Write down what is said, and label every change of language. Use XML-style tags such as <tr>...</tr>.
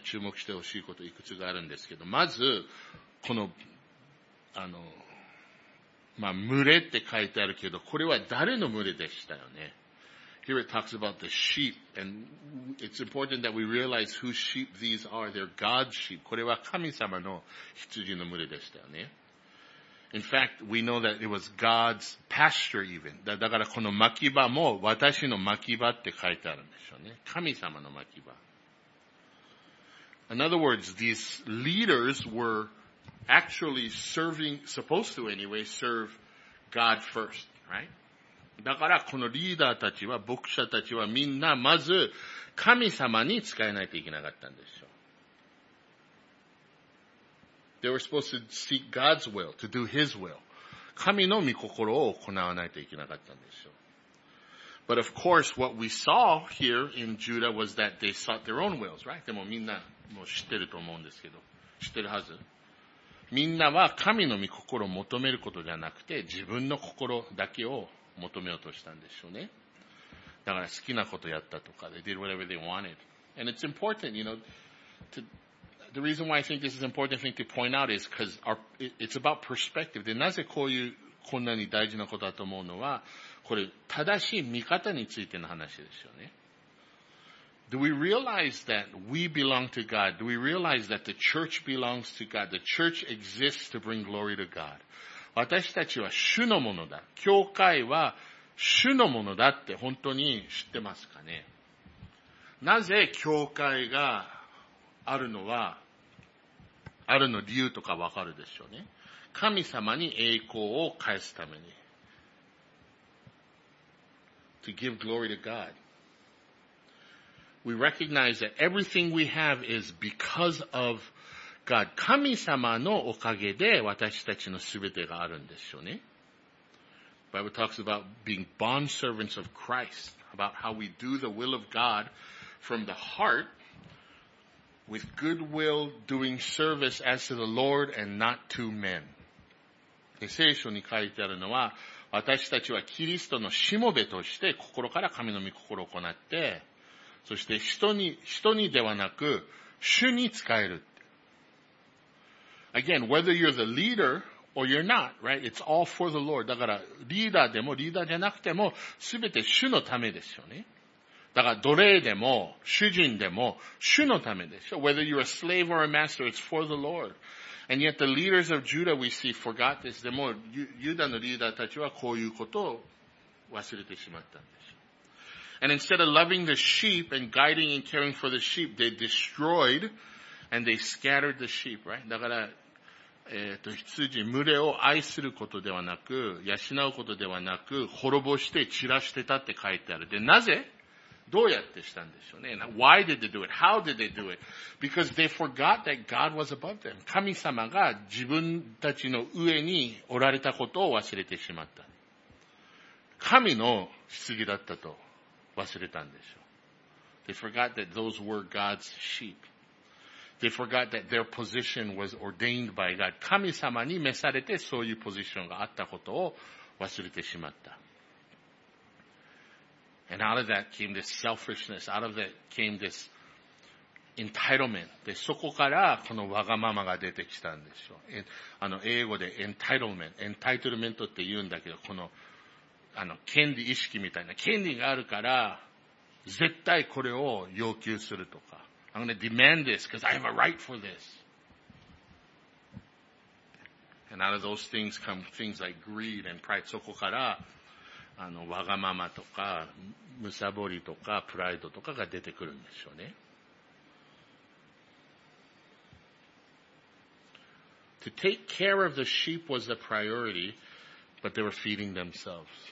<ja>注目してほしいこといくつがあるんですけど、まず、この、まあ、群れって書いてあるけど、これは誰の群れでしたよね。</ja> <en>Here it talks about the sheep, and it's important that we realize whose sheep these are. They're God's sheep.</en> <ja>これは神様の羊の群れでしたよね。</ja> <en>In fact, we know that it was God's pasture even.</en> <ja>だからこの牧場も私の牧場って書いてあるんでしょうね。神様の牧場。</ja> <en>In other words, these leaders were actually supposed to serve God first, right?</en> <ja>だからこのリーダーたちは、牧者たちはみんなまず神様に使えないといけなかったんですよ。</ja> <en>They were supposed to seek God's will, to do His will.</en> <ja>神の御心を行わないといけなかったんですよ。</ja> <en>But of course, what we saw here in Judah was that they sought their own wills, right?</en> <ja>でもみんなもう知ってると思うんですけど、知ってるはず。みんなは神の御心を求めることじゃなくて、自分の心だけを求めようとしたんでしょうね。だから好きなことやったとか、</ja> <en>they did whatever they wanted. And it's important, you know, the reason why I think this is an important thing to point out is because it's about perspective.</en> <ja>で、なぜこういう、こんなに大事なことだと思うのは、これ、正しい見方についての話ですよね。</ja> <en>Do we realize that we belong to God? Do we realize that the church belongs to God? The church exists to bring glory to God.</en> <ja>私たちは主のものだ。教会は主のものだって本当に知ってますかね。なぜ教会があるのは、あるの理由とかわかるでしょうね。神様に栄光を返すために。</ja> <en>To give glory to God. We recognize that everything we have is because of God.</en> <ja>神様のおかげで私たちのすべてがあるんですよね。</ja> <en>Bible talks about being bond servants of Christ, about how we do the will of God from the heart, with good will doing service as to the Lord and not to men.</en> <ja>聖書に書いてあるのは、私たちはキリストのしもべとして心から神の御心を行って、そして人にではなく、主に仕える。</ja> <en>Again, whether you're the leader or you're not, right? It's all for the Lord.</en> <ja>だから、リーダーでもリーダーじゃなくても、すべて主のためですよね。だから、奴隷でも、主人でも、主のためですよ。</ja> <en>Whether you're a slave or a master, it's for the Lord. And yet the leaders of Judah we see forgot this.</en> <ja>でも、ユダのリーダーたちはこういうことを忘れてしまったんです。</ja> <en>And instead of loving the sheep and guiding and caring for the sheep, they destroyed and they scattered the sheep, right?</en> <ja>だから、羊、群れを愛することではなく、養うことではなく、滅ぼして散らしてたって書いてある。で、なぜ？どうやってしたんでしょうね。</ja> <en>Why did they do it? How did they do it? Because they forgot that God was above them.</en> <ja>神様が自分たちの上におられたことを忘れてしまった。神の羊だったと忘れたんでしょう。</ja> <en>They forgot that those were God's sheep. They forgot that their position was ordained by God.</en> <ja>神様に召されてそういうポジションがあったことを忘れてしまった。</ja> <en>And out of that came this selfishness. Out of that came this entitlement.</en> <ja>で、そこからこのわがままが出てきたんでしょう。英語で entitlement。entitlement って言うんだけど、この、権利意識みたいな。権利があるから、絶対これを要求するとか。</ja> <en>I'm gonna demand this because I have a right for this. And out of those things come things like greed and pride.</en> <ja>そこから、わがままとか、むさぼりとか、プライドとかが出てくるんでしょうね。</ja> <en>To take care of the sheep was the priority, but they were feeding themselves.</en>